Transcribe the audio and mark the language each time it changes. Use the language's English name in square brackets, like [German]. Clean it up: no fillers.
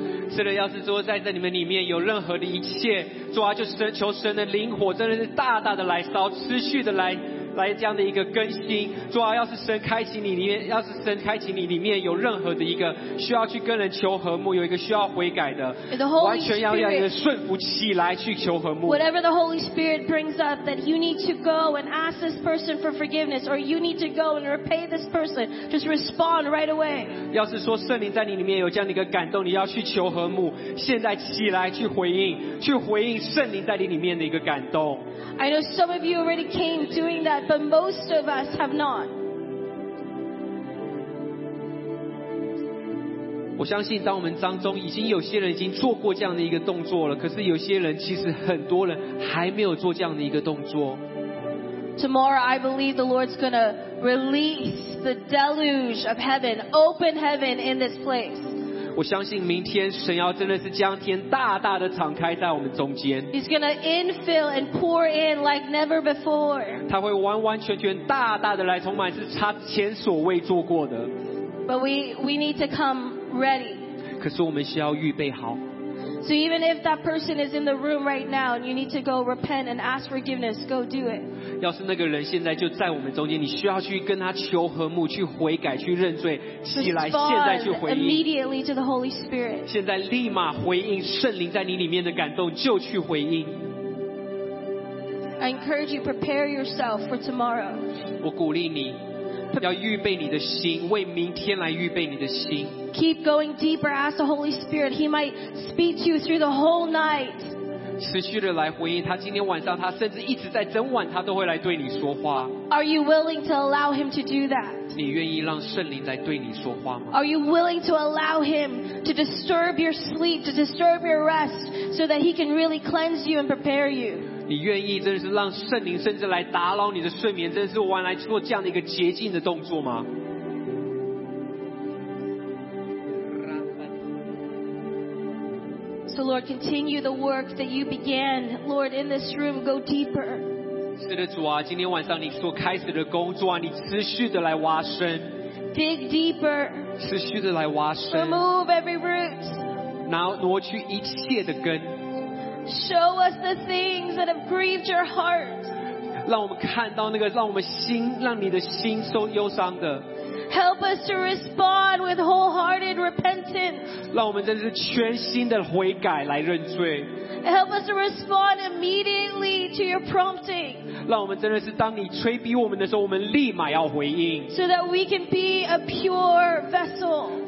[Chinese] 是的，要是说在这你们里面有任何的一切，主啊，就是求神的灵火真的是大大的来烧，持续的来。来这样的一个更新，主啊，要是神开启你里面，要是神开启你里面有任何的一个需要去跟人求和睦，有一个需要悔改的，完全要让人顺服起来去求和睦。 [English] Whatever the Holy Spirit brings up that you need to go and ask this person for forgiveness, or you need to go and repay this person, just respond right away. [Chinese] 要是说圣灵在你里面有这样的一个感动，你要去求和睦，现在起来去回应，去回应圣灵在你里面的一个感动。 [English] I know some of you already came doing that, but most of us have not. [Chinese] 我相信当我们当中已经有些人已经做过这样的一个动作了，可是有些人其实很多人还没有做这样的一个动作。 [English] Tomorrow, I believe the Lord's going to release the deluge of heaven, open heaven in this place. [Chinese] 我相信明天神要真的是将天大大的敞开在我们中间。 [English] He's gonna infill and pour in like never before. [Chinese] 他会完完全全大大的来充满，是他前所未做过的。 [English] But we need to come ready. [Chinese] 可是我们需要预备好。 [English] So even if that person is in the room right now and you need to go repent and ask forgiveness, go do it. [Chinese] 要是那个人现在就在我们中间，你需要去跟他求和睦，去悔改，去认罪，起来，现在去回应。 [English] Immediately to the Holy Spirit. [Chinese] 现在立马回应圣灵在你里面的感动，就去回应。 [English] I encourage you, prepare yourself for tomorrow. [Chinese] 我鼓励你要预备你的心，为明天来预备你的心。 [English] Keep going deeper, ask the Holy Spirit. He might speak to you through the whole night. [Chinese] 持续的来回应他，今天晚上他甚至一直在整晚他都会来对你说话。 [English] Are you willing to allow him to do that? [Chinese] 你愿意让圣灵来对你说话吗？ [English] Are you willing to allow him to disturb your sleep, to disturb your rest, so that he can really cleanse you and prepare you? [Chinese] 你愿意真的是让圣灵甚至来打扰你的睡眠，真的是完来做这样的一个洁净的动作吗？ [English] So Lord, continue the work that you began, Lord, in this room. Go deeper. [Chinese] 是的，主啊，今天晚上你所开始的工作啊，你持续的来挖深。 [English] Dig deeper. [Chinese] 持续的来挖深。 [English] Remove every root. [Chinese] 挪去一切的根。 [English] Show us the things that have grieved your heart. [Chinese] 让我们看到那个让我们心让你的心受忧伤的。 [English] Help us to respond with wholehearted repentance. [Chinese] 让我们真是全心的悔改来认罪。 [English] Help us to respond immediately to your prompting. [Chinese] 让我们真的是当你催逼我们的时候，我们立马要回应。 [English] So that we can be a pure vessel.